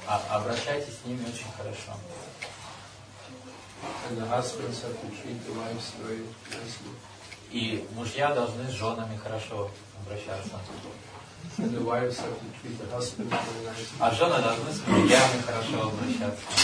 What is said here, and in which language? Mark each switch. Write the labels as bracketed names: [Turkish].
[Russian] Обращайтесь с ними очень хорошо. [English] And the husbands have to treat the wives very nicely. [Russian] И мужья должны с женами хорошо обращаться. [English] And the wives have to treat the husbands very nicely. [Russian] А жены должны с мужьями хорошо обращаться.